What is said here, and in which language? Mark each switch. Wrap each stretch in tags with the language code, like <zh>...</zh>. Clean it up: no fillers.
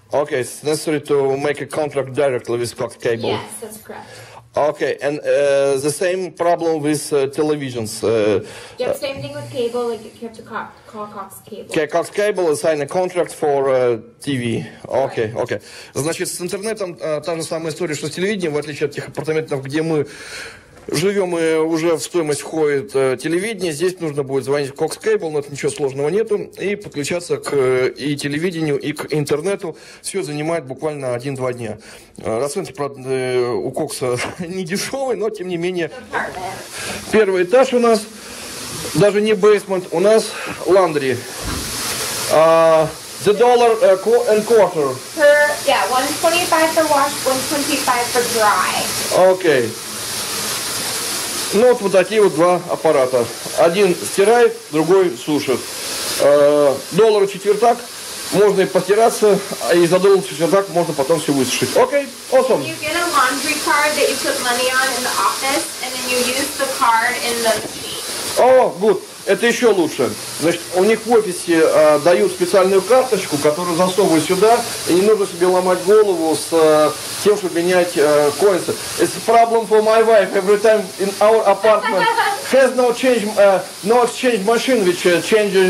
<en>Okay, it's necessary to make a contract directly with Cox Cable. Yes, that's correct. Okay, and the same problem with televisions. Yep, same thing with cable, like you have to call Cox Cable. Okay, Cox Cable assign a contract for TV. Okay, right. Okay.</en> <ru>Значит, с интернетом та же самая история, что с телевидением, в отличие от тех апартаментов, где мы... Живем мы уже в стоимость входит телевидение. Здесь нужно будет звонить Cox Cable, но это ничего сложного нету. И подключаться к и телевидению, и к интернету. Все занимает буквально 1-2 дня. Расценки, правда, у Кокса не дешевые, но тем не менее. Первый этаж у нас, даже не бейсмент, у нас ландри.</ru> <en>The dollar and quarter. Per, yeah, $125 for wash, $125 for dry.</en> <ru>Окей. Ну, вот такие вот два аппарата. Один стирает, другой сушит. Доллар четвертак, можно и постираться, и за доллар четвертак можно потом все высушить. Окей, awesome.</ru> <en>You get a laundry card that you put money on in the office, and then you use the card in the machine.</en> <ru>Oh, good. Это еще лучше. Значит, у них в офисе дают специальную карточку, которую засовывают сюда, и не нужно себе ломать голову с тем, чтобы менять коинсы.</ru> <en>It's a problem for my wife every time in our apartment. Has no change, no exchange machine, which changes</en>